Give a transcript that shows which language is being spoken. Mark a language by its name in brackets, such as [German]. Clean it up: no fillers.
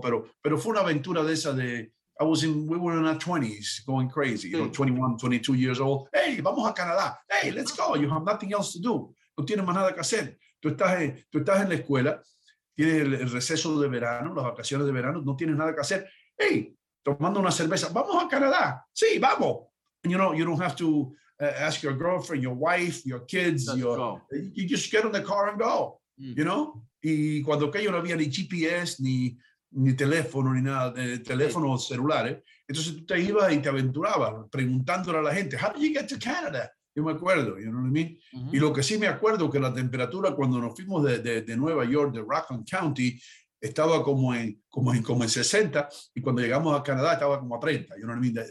[Spanish] Pero fue una aventura de esa de, [English] we were in our 20s, going crazy, you know, 21, 22 years old. Hey, [Spanish] vamos a Canadá. [English] Hey, let's go. You have nothing else to do. [Spanish] No tienes más nada que hacer. Tú estás en la escuela. Tienes el receso de verano, las vacaciones de verano, no tienes nada que hacer. Hey, tomando una cerveza, vamos a Canadá. Sí, vamos. [English] And you don't have to ask your girlfriend, your wife, your kids. You just get in the car and go, you know? [Spanish] Y cuando aquello no había ni GPS, ni teléfono, ni nada, teléfonos sí. Celulares. Entonces tú te ibas y te aventurabas preguntándole a la gente, [English] how did you get to Canada? [Spanish] Yo me acuerdo, [English] you know what I mean? [Spanish] Uh-huh. Y lo que sí me acuerdo que la temperatura cuando nos fuimos de Nueva York, de Rockland County, estaba como en 60, y cuando llegamos a Canadá estaba como a 30, you know what I mean?